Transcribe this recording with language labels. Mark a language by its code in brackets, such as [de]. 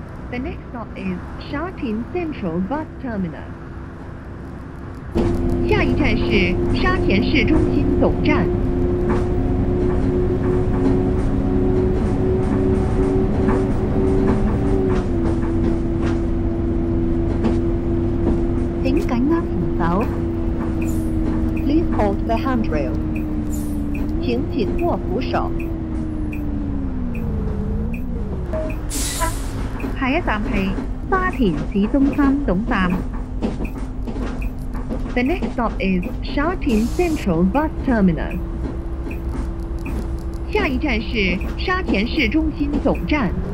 [en] The next stop is Sha Tin Central Bus Terminal. [zh] 下一站是沙田市中心总站。请紧握扶手。 [en] Please hold the handrail. [zh] 请紧握扶手。下一站是沙田市中心总站。 [en] The next stop is Sha Tin Central Bus Terminal. [zh] 下一站是沙田市中心总站。